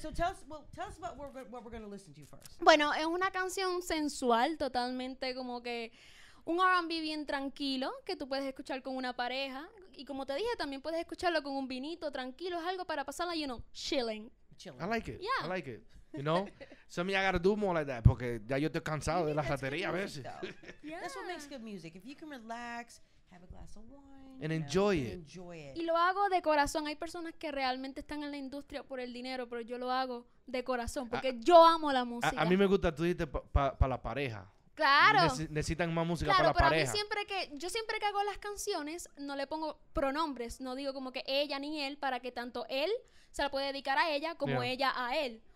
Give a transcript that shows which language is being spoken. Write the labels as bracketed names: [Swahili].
[English] So tell us about what we're going to listen to first. [Spanish] Bueno, es una canción sensual, totalmente como que un R&B bien tranquilo que tú puedes escuchar con una pareja. Y como te dije, también puedes escucharlo con un vinito tranquilo. Es algo para pasarla, [English] you know, chilling. I like it. Yeah. I like it. You know, so me, I gotta do more like that [Spanish] porque ya yo estoy cansado de la ratería a veces. [English] That's what makes good music. If you can relax, have a glass of wine and enjoy it. Enjoy it. [Spanish] Y lo hago de corazón. Hay personas que realmente están en la industria por el dinero, pero yo lo hago de corazón porque yo amo la música. A mí me gusta, tú dijiste pa la pareja. Claro. Necesitan más música para la pareja. Claro, pero siempre que hago las canciones, no le pongo pronombres, no digo como que ella ni él, para que tanto él se la pueda dedicar a ella como ella a él.